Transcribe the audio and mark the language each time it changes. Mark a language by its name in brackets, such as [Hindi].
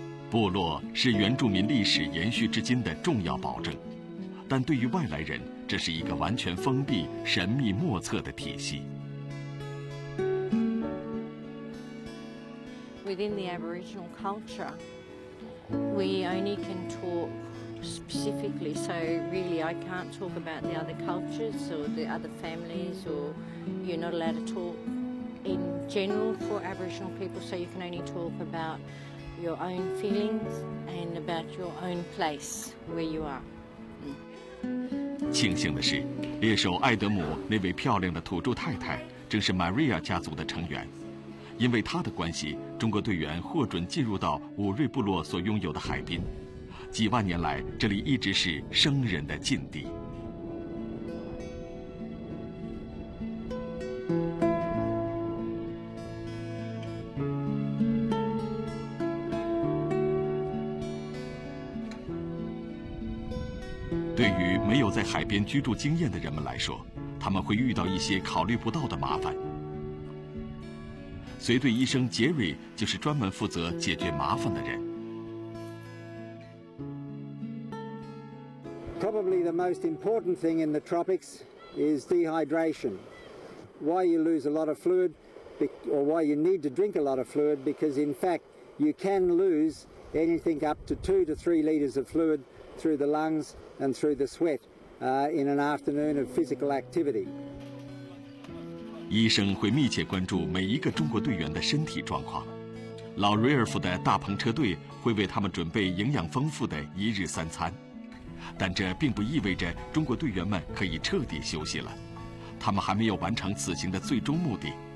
[Chinese] 部落是原住民历史延续至今的重要保证，但对于外来人，这是一个完全封闭、神秘莫测的体系。 [English] Within the Aboriginal culture, we only can talk specifically, so really I can't talk about the other cultures or the other families, or you're not allowed to talk in general for Aboriginal people, so you can only talk about your own feelings and about your own place where you are. [Chinese] 庆幸的是，猎手艾德姆那位漂亮的土著太太正是 Maria 家族的成员，因为他的关系，中国队员获准进入到吴瑞部落所拥有的海滨。几万年来，这里一直是生人的禁地。对于没有在海边居住经验的人们来说，他们会遇到一些考虑不到的麻烦。随队医生杰瑞就是专门负责解决麻烦的人。 [English] Probably the most important thing in the tropics is dehydration. Why you lose a lot of fluid, or why you need to drink a lot of fluid, because in fact you can lose anything up to 2 to 3 liters of fluid through the lungs and through the sweat, in an afternoon of physical activity. [Chinese] 医生会密切关注每一个中国队员的身体状况，老瑞尔夫的大篷车队会为他们准备营养丰富的一日三餐，但这并不意味着中国队员们可以彻底休息了，他们还没有完成此行的最终目的。